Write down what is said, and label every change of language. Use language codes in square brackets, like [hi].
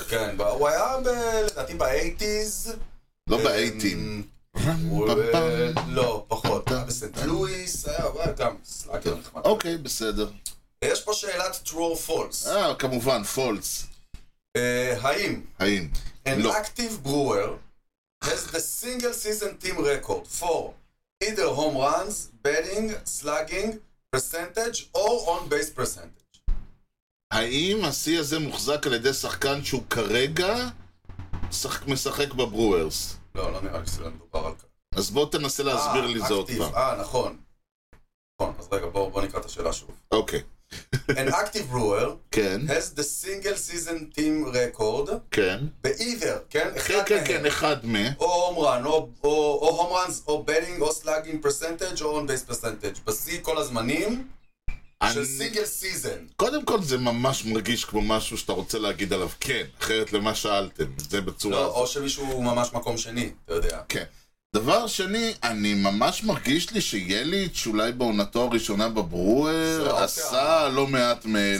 [he] כן, הוא היה לדעתי ב-80s. לא ב-80. לא, פחות. בסנט לואיס, היה עבר גם סלאגר נחמד. אוקיי, בסדר. יש פה שאלת true or false. אה, כמובן, false. האם? האם. [en] An active brewer has the single season team record for either home runs, batting, slugging, percentage, or on base percentage. [he] האם השיא הזה מוחזק על ידי שחקן שהוא כרגע משחק בברוארס? לא, לא נראה לי שזה מדובר על כך. אז בוא תנסה להסביר לי זה עוד פעם. נכון. נכון, אז רגע, בוא נקרא את השאלה שוב. אוקיי. [en] An active brewer has the single season team record ב-either, [he] כן? כן, כן, כן, אחד מ... [en] או home run, או home runs, או batting, או slugging percentage, או on base percentage. [he] בשיא כל הזמנים... של סינגל סיזן. קודם כל זה ממש מרגיש כמו משהו שאתה רוצה להגיד עליו כן, אחרת למה שאלתם, זה בצורה... לא, או שמישהו הוא ממש מקום שני, אתה יודע. כן. דבר שני, אני ממש מרגיש לי שיליץ' אולי בעונתו הראשונה בברואר עשה לא מעט מאלה.